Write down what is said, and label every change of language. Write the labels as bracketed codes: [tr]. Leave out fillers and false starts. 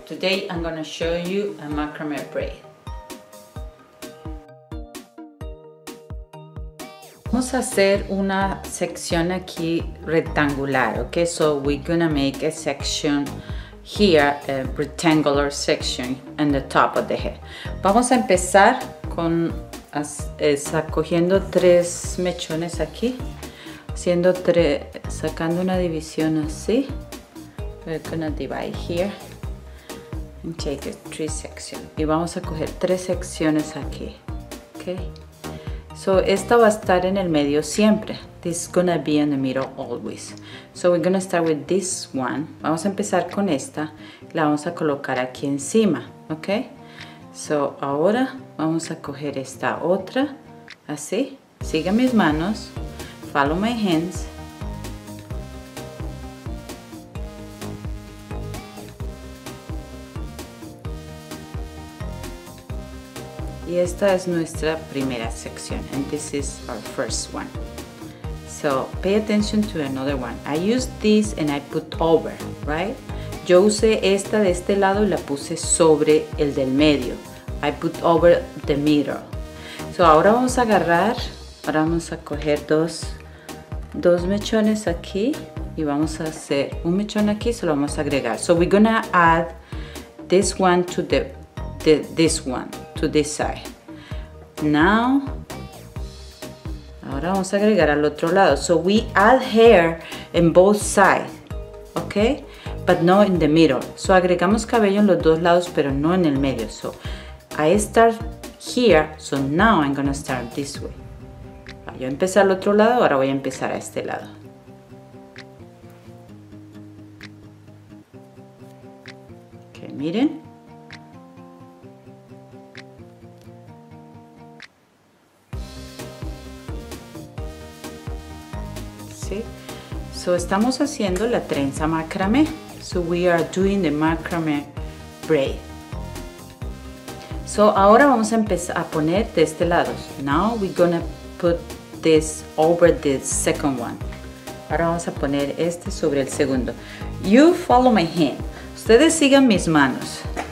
[en] Today I'm going to show you a macramé braid. [es] Vamos a hacer una sección aquí rectangular, ¿ok? [en] So we're going to make a section here, a rectangular section in the top of the head. [es] Vamos a empezar con cogiendo tres mechones aquí. Haciendo tres, sacando una división así. [en] We're gonna divide here and take a three section. [es] Y vamos a coger tres secciones aquí. Okay. So esta va a estar en el medio siempre. [en] This is gonna be in the middle always. So we're gonna start with this one. [es] Vamos a empezar con esta. La vamos a colocar aquí encima. Okay. So ahora vamos a coger esta otra. Así. Siga mis manos. [en] Follow my hands. [es] Y esta es nuestra primera sección. [en] And this is our first one. So pay attention to another one. I use this and I put over, right? [es] Yo usé esta de este lado y la puse sobre el del medio. [en] I put over the middle. [es] So ahora vamos a agarrar, ahora vamos a coger dos mechones aquí y vamos a hacer un mechón aquí, se lo vamos a agregar. [en] So we're gonna add this one to this one to this side. [es] Now ahora vamos a agregar al otro lado. [en] So we add hair in both sides, okay, but not in the middle. [es] So agregamos cabello en los dos lados pero no en el medio. [en] So I start here, so now I'm gonna start this way. [es] Yo empecé al otro lado, ahora voy a empezar a este lado. Ok, miren. Sí. So, estamos haciendo la trenza macramé. [en] So, we are doing the macramé braid. [es] So, ahora vamos a empezar a poner de este lado. [en] Now, we're gonna put this over the second one. [es] Ahora vamos a poner este sobre el segundo. [en] You follow my hand. [es] Ustedes sigan mis manos.